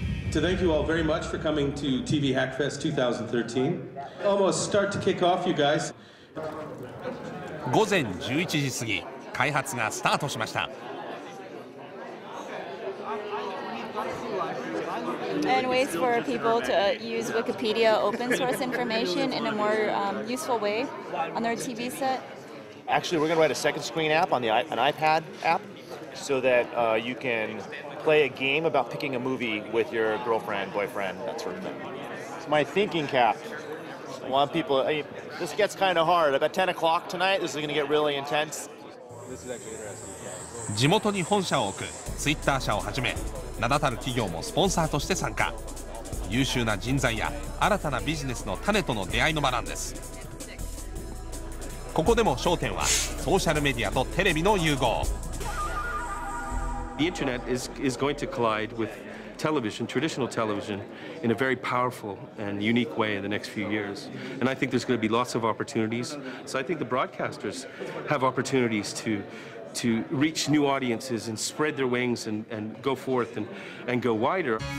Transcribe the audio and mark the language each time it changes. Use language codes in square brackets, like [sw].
[en] To thank you all very much for coming to TV Hackfest 2013. Almost start to kick off, you guys. [ja] 午前11時過ぎ、開発がスタートしました。 [en] And ways for people to use Wikipedia open source information in a more useful way on their TV set. Actually, we're going to write a second screen app on an iPad app so that you can play a game about picking a movie with your girlfriend, boyfriend, that sort of thing. It's my thinking cap. I want people, this gets kind of hard. About 10 o'clock tonight, this is going to get really intense. This is actually interesting. [ja] 地元に本社を置くツイッター社をはじめ、名だたる企業もスポンサーとして参加。優秀な人材や新たなビジネスの種との出会いの場なんです。ここでも焦点はソーシャルメディアとテレビの融合。 [en] The internet is going to collide with television, traditional television, in a very powerful and unique way in the next few years. And I think there's going to be lots of opportunities. So I think the broadcasters have opportunities to reach new audiences and spread their wings and go forth and go wider.